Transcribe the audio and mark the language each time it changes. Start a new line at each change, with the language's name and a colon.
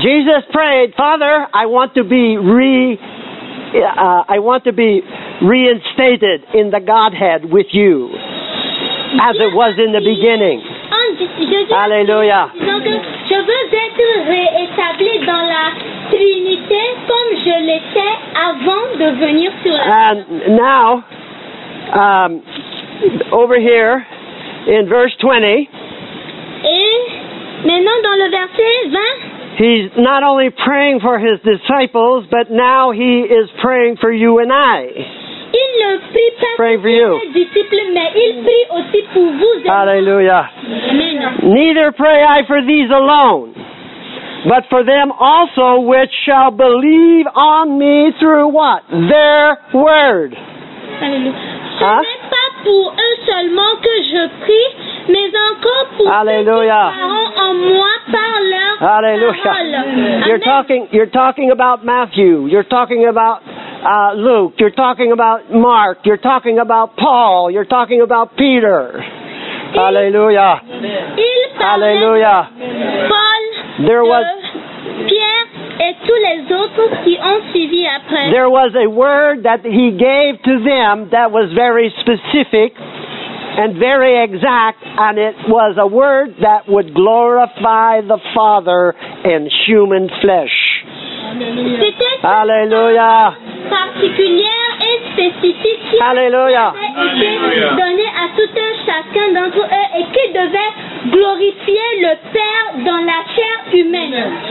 English: Jesus prayed, Father, I want to be reinstated in the Godhead with you, as it was in the beginning.
French: Alléluia. Je veux être réétabli dans la Trinité comme je l'étais avant de venir sur la terre.
English: And now, over here, in verse 20,
French: et maintenant dans le verset 20,
English: he's not only praying for his disciples, but now he is praying for you and I.
French: Il ne prie pas pour ses disciples, mais il prie aussi pour vous. Alléluia.
English: Neither pray I for these alone, but for them also which shall believe on me through what? Their word.
French: Alléluia. Ce n'est pas pour eux seulement que je prie, mais encore pour Alléluia. Ceux qui croiront en moi par leur Alléluia. Parole.
English: You're talking about Matthew. You're talking about Luke. You're talking about Mark. You're talking about Paul. You're talking about Peter. Alléluia.
French: Alléluia.
English: There was
French: Pierre et tous les autres qui ont suivi après.
English: There was a word that he gave to them that was very specific and very exact, and it was a word that would glorify the Father in human flesh.
French: Alléluia. Particulière et spécifique qui Alléluia. Avait été donnée à tout un chacun d'entre eux et qui devait glorifier le Père dans la chair humaine.